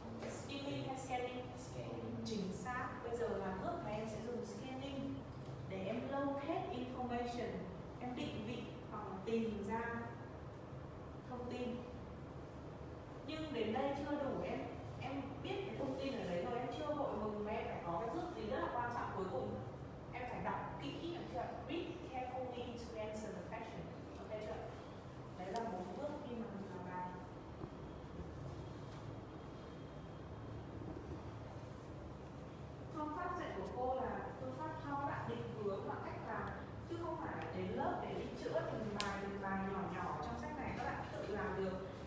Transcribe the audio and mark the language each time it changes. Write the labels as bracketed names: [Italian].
[Vietnamese] Skimming hay scanning? Chính xác. Bây giờ là bước mà em sẽ dùng scanning để em [English] locate information, [Vietnamese] em định vị hoặc tìm ra thông tin. Nhưng đến đây chưa đủ, em biết cái thông tin ở đấy thôi, em chưa vội mừng, mẹ phải có cái bước gì rất là quan trọng cuối cùng. Em phải đọc kỹ, được chưa? [English] Read carefully to answer the question. [Vietnamese] Ok chưa? Đấy là một bước khi mà mình làm bài. Phương pháp dạy của cô là phương pháp cho các bạn định hướng và cách làm, chứ không phải đến lớp để đi chữa từng bài nhỏ nhỏ trong sách này, các bạn tự làm được.